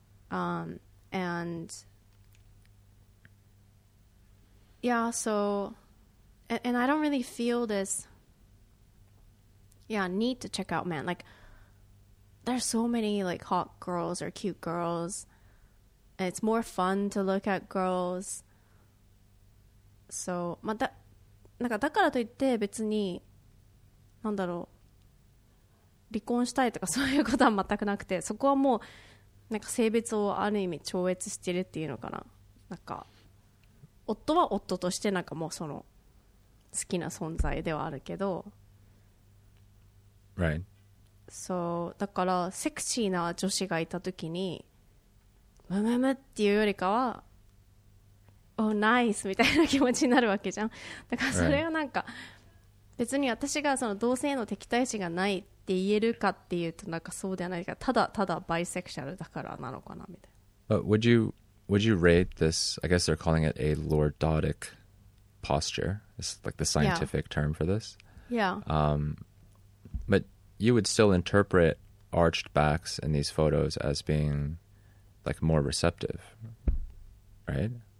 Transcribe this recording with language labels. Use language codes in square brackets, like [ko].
[en] And yeah, so and I don't really feel this. Yeah, need to check out men. Like, there's so many like hot girls or cute girls, and it's more fun to look at girls. [ja] So, まあ、だからといって別に、なんだろう、離婚したいとかそういうことは全くなくて、そこはもうなんか性別をある意味超越してるっていうのかな。なんか夫は夫としてなんかもうその好きな存在ではあるけど。 [en] Right. [ja] So, だからセクシーな女子がいたときにムムムっていうよりかは、 oh, nice みたいな気持ちになるわけじゃん。だからそれはなんか、right. 別に私がその同性の敵対心がないって言えるかっていうと、なんかそうではないか、ただただバイセクシャルだからなのかなみたいな。 [en] But would you rate this, I guess they're calling it a lordotic posture. It's like the scientific term for this. Yeah. But you would still interpret arched backs in these photos as being like more receptive, right?